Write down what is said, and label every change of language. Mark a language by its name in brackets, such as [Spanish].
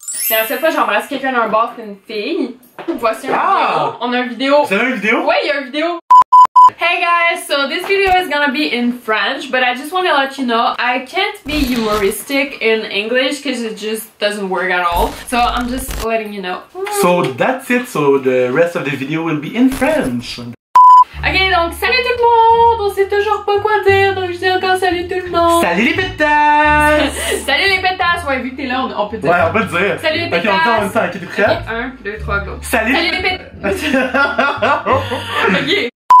[French] la seule fois que j'embrasse quelqu'un d'un bar, c'est une fille. Voici un vidéo. On a une vidéo. C'est une vidéo? Ouais, il y a une vidéo. [English] Hey guys, so this video is gonna be in French, but I just want to let you know I can't be humoristic in English because it just doesn't work at all. So I'm just letting you know. So that's it, so the rest of the video will be in French. [French] Ok, donc salut tout le monde, on sait toujours pas quoi dire, donc je dis encore salut tout le monde. Salut les pétasses. Salut les pétasses, ouais, vu que t'es là, on peut dire. Ouais, on peut dire. Salut les pétasses. Ok, on est en même temps, ok, t'es prête? Ok, 1, 2, 3, go. Salut, salut les pétasses. Ok.